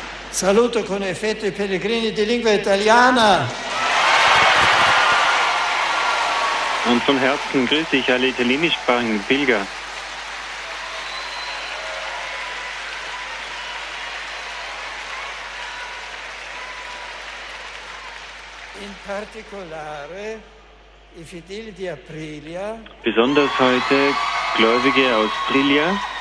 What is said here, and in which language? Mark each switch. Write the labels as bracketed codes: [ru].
[it] Saluto con effetto i pellegrini di lingua italiana. [de] Und von Herzen grüße ich alle italienischsprachigen Pilger. [it] In particolare i fedeli di Aprilia. [de] Besonders heute Gläubige aus Aprilia.